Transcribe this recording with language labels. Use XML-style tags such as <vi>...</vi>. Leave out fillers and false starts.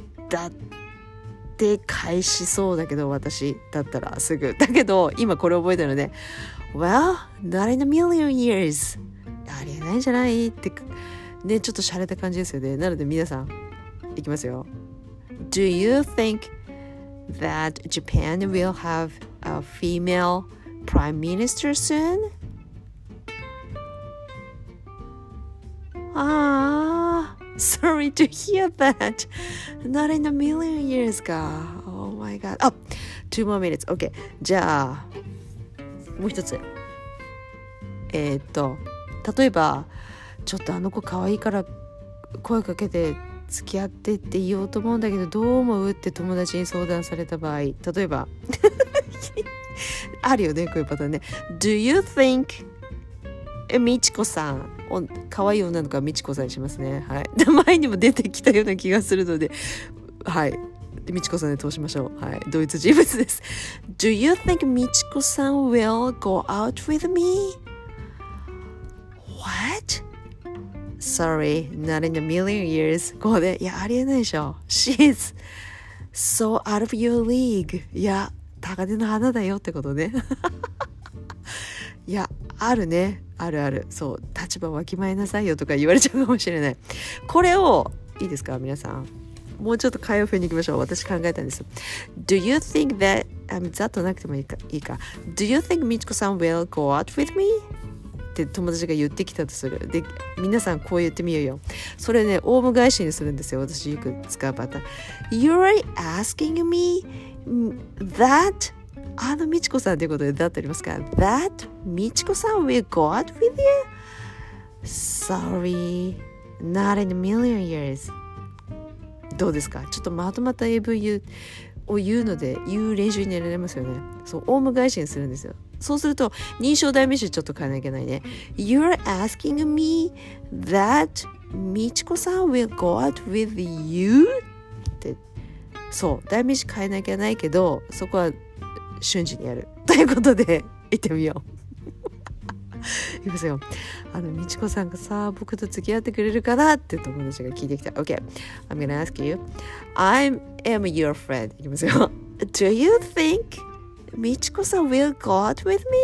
<ja>だって返しそうだけど、私だったらすぐ。</ja> <en>だけど、今これ覚えてるので、 Well, not in a million years.</en> <ja>ありえないんじゃないって、ね、ちょっと洒落た感じですよね。なので皆さん、いきますよ。</ja> <en>Do you think that Japan will haveA female prime minister soon? Ah, sorry to hear that. Not in a million years, ka. Oh my god. Oh, two more minutes. Okay.</en> <ja>じゃあ、もう一つ。例えば、ちょっとあの子可愛いから声かけて付き合ってって言おうと思うんだけど、どう思うって友達に相談された場合、例えば。あるよね、こういうパターンね。 Do you think みちこさん、かわいい女の子はみちこさんにしますね、はい、前にも出てきたような気がするので、はい、みちこさんで通しましょう、はい、ドイツ人物です。</ja> <en>Do you think みちこさん will go out with me? What? Sorry, not in a million years。</en> <ja>こうね、いやありえないでしょ。</ja> <en>She's so out of your league。</en> <ja>いや高嶺の花だよってことね。いや、あるね、あるある、そう、立場わきまえなさいよとか言われちゃうかもしれない。これを、いいですか皆さん、もうちょっと会話風に行きましょう。私考えたんです。 Do you think that ざっとなくてもいいか。</ja> <en>Do you think みちこさん will go out with me?</en> <ja>って友達が言ってきたとする。で、皆さんこう言ってみようよ。それね、オウム返しにするんですよ。私よく使うパターン。 You're asking me that? あのみちこさんっていうことでだってありますか That みちこさん will go out with you?</ja> <en>Sorry, not in a million years.</en> <ja>どうですか、ちょっとまとまった英文を言うので言う練習に入れられますよね。そう、オウム返しにするんですよ。そうすると認証代名詞ちょっと変えなきゃいけないね。 You're asking me that みちこさん will go out with you? ってそう、代名詞変えなきゃいけないけど、そこは瞬時にやるということで行ってみよう。行きますよ。あのみちこさんがさ、僕と付き合ってくれるかなって友達が聞いてきた。</ja> <en>OK, I'm gonna ask you. I am your friend. 行きますよ。 Do you think みちこさん will go out with me?</en>